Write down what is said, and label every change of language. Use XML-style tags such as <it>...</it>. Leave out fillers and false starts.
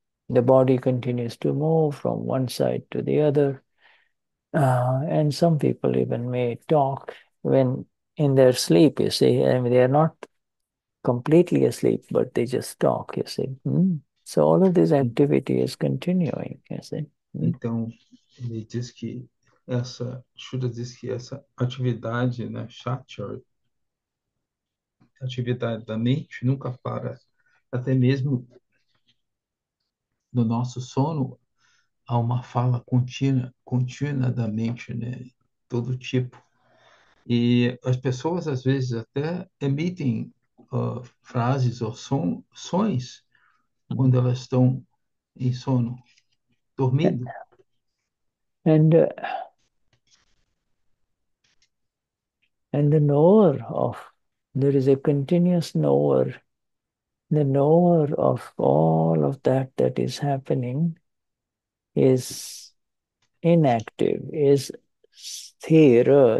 <en>The body continues to move from one side to the other. And some people even may talk when in their sleep, you see. I mean, they are not completely asleep, but they just talk, you see. So all of this activity is continuing, you see.</en> <pt>Então, ele diz que essa, Shura diz que essa atividade, né, chatter, atividade da mente nunca para. Até mesmo no nosso sono, há uma fala contínua, contínua da mente, né, todo tipo. E as pessoas, às vezes, até emitem frases ou sons quando elas estão em sono, dormindo.</pt> <en>And the knower of, there is a continuous knower, the knower of all of that that is happening is inactive, is sthira.</en>